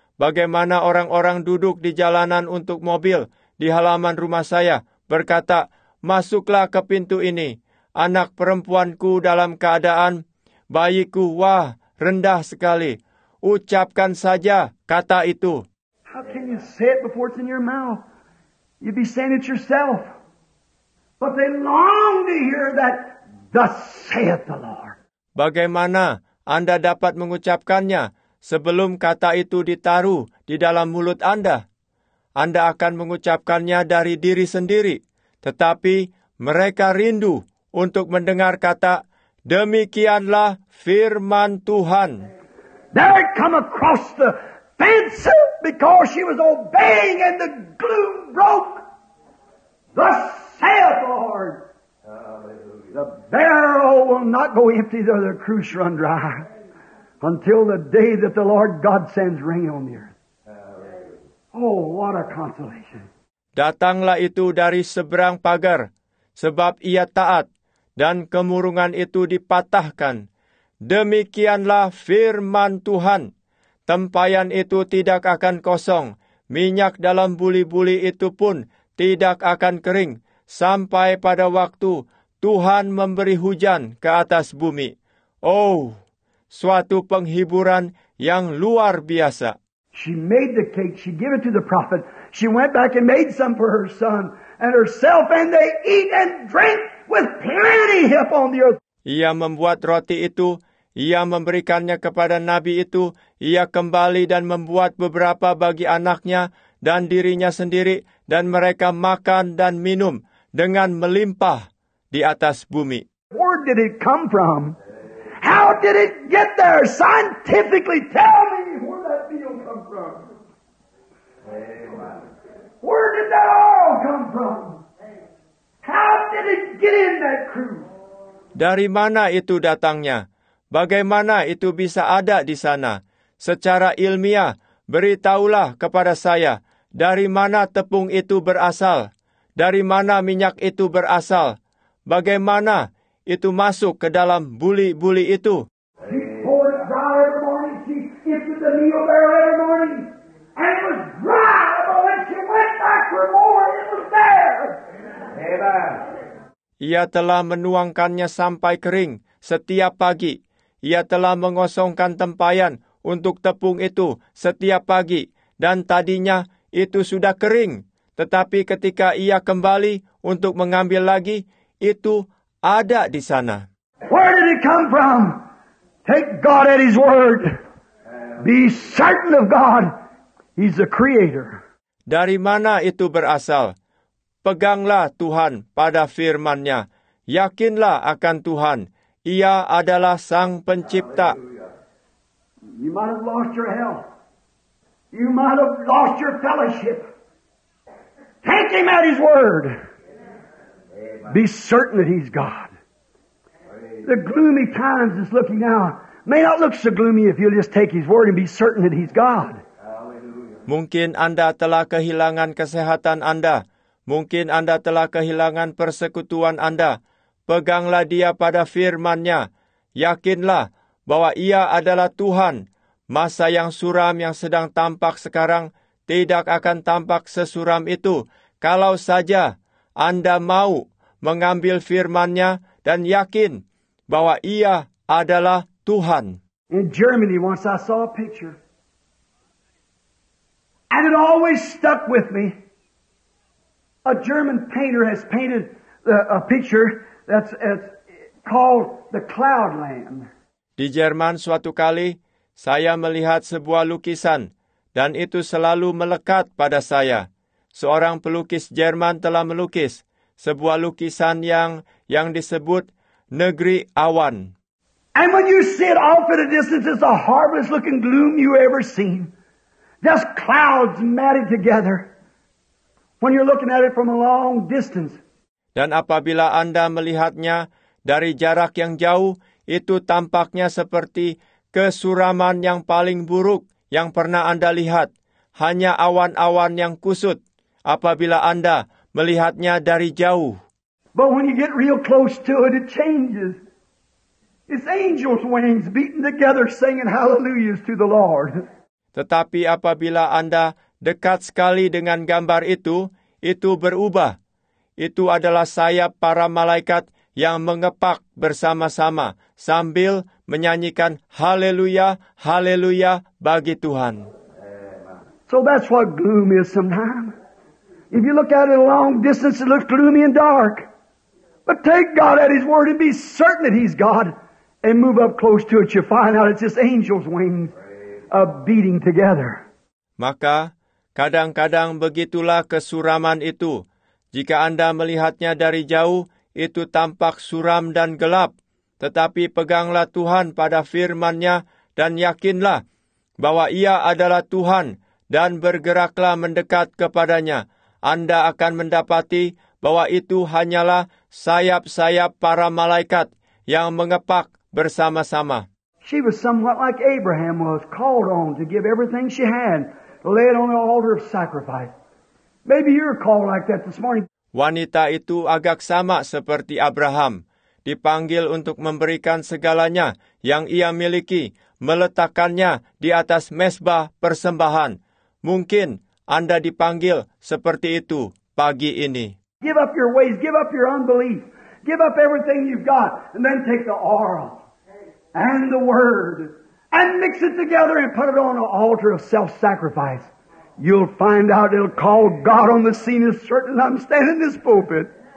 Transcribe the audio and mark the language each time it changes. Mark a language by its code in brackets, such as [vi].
[id] Bagaimana orang-orang duduk di jalanan untuk mobil di halaman rumah saya berkata, masuklah ke pintu ini, anak perempuanku dalam keadaan bayiku, wah, rendah sekali. Ucapkan saja kata itu. [en] How can you say it before it's in your mouth? You'd be saying it yourself. But they long to hear that, thus saith the Lord. [id] Bagaimana Anda dapat mengucapkannya sebelum kata itu ditaruh di dalam mulut Anda? Anda akan mengucapkannya dari diri sendiri. Tetapi mereka rindu untuk mendengar kata, demikianlah firman Tuhan. [en] There it come across the fence because she was obeying and the gloom broke. Thus saith the Lord. The barrel will not go empty though the cruse run dry until the day that the Lord God sends rain on the earth. Oh, what a consolation. [id] Datanglah itu dari seberang pagar, sebab ia taat, dan kemurungan itu dipatahkan. Demikianlah firman Tuhan. Tempayan itu tidak akan kosong, minyak dalam buli-buli itu pun tidak akan kering, sampai pada waktu Tuhan memberi hujan ke atas bumi. Oh, suatu penghiburan yang luar biasa. [en] She made the cake, she gave it to the prophet. She went back and made some for her son and herself, and they eat and drink with plenty upon the earth. [id] Ia membuat roti itu, ia memberikannya kepada nabi itu, ia kembali dan membuat beberapa bagi anaknya dan dirinya sendiri, dan mereka makan dan minum dengan melimpah di atas bumi. [en] Where did it come from? How did it get there? Scientifically tell me where that meal come from. Amen. Where did that all come from? How did it get in that crew? [id] Dari mana itu datangnya? Bagaimana itu bisa ada di sana? Secara ilmiah, beritahulah kepada saya, dari mana tepung itu berasal? Dari mana minyak itu berasal? Bagaimana itu masuk ke dalam buli-buli itu? [en] She poured it dry every morning. She skipped the meal barrel every morning. And it was dry. But when she went back for more, it was there. Amen. [id] Ia telah menuangkannya sampai kering setiap pagi. Ia telah mengosongkan tempayan untuk tepung itu setiap pagi. Dan tadinya itu sudah kering. Tetapi ketika ia kembali untuk mengambil lagi, itu ada di sana. [en] Where did it come from? Take God at His word. Be certain of God. He's the creator. [id] Dari mana itu berasal? Peganglah Tuhan pada firman-Nya. Yakinlah akan Tuhan. Ia adalah Sang Pencipta. [en] Hallelujah. You might have lost your health. You might have lost your fellowship. Take Him at His word. Be certain that He's God. The gloomy times is looking now may not look so gloomy if you'll just take His word and be certain that He's God. [id] Mungkin Anda telah kehilangan kesehatan Anda. Mungkin Anda telah kehilangan persekutuan Anda. Peganglah Dia pada firman-Nya. Yakinlah bahwa Ia adalah Tuhan. Masa yang suram yang sedang tampak sekarang tidak akan tampak sesuram itu Kalau saja Anda mau mengambil firman-Nya dan yakin bahwa Ia adalah Tuhan. [en] In Germany, once I saw a picture, and it always stuck with me. A German painter has painted a picture that's called the Cloud Land. [id] Di Jerman suatu kali, saya melihat sebuah lukisan, dan itu selalu melekat pada saya. Seorang pelukis Jerman telah melukis sebuah lukisan yang disebut Negeri Awan. [en] And when you see it off at a distance, it's the harvest looking gloom you ever seen. Just clouds matted together. When you're looking at it from a long distance. [id] Dan apabila Anda melihatnya dari jarak yang jauh, itu tampaknya seperti kesuraman yang paling buruk yang pernah Anda lihat. Hanya awan-awan yang kusut apabila Anda melihatnya dari jauh. [en] But when you get real close to it, it changes. It's angels' wings beating together singing hallelujahs to the Lord. [id] Tetapi apabila Anda dekat sekali dengan gambar itu, itu berubah. Itu adalah sayap para malaikat yang mengepak bersama-sama sambil menyanyikan haleluya, haleluya bagi Tuhan. [en] So that's what gloom is sometimes. If you look at it a long distance, it looks gloomy and dark. But take God at His word and be certain that He's God. And move up close to it, you find out it's just angels' wings beating together. [id] Maka, kadang-kadang begitulah kesuraman itu. Jika Anda melihatnya dari jauh, itu tampak suram dan gelap. Tetapi peganglah Tuhan pada firman-Nya dan yakinlah bahwa Ia adalah Tuhan dan bergeraklah mendekat kepada-Nya. Anda akan mendapati bahwa itu hanyalah sayap-sayap para malaikat yang mengepak bersama-sama. [en] She was somewhat like Abraham was, called on to give everything she had, to lay it on the altar of sacrifice. Maybe you're called like that this morning. [id] Wanita itu agak sama seperti Abraham, dipanggil untuk memberikan segalanya yang ia miliki, meletakkannya di atas mesbah persembahan. Mungkin Anda dipanggil seperti itu pagi ini. [en] Give up your ways, give up your unbelief. Give up everything you've got and then take the oil and the word and mix it together and put it on an altar of self-sacrifice. You'll find out it'll call God on the scene as certain as I'm standing in this pulpit.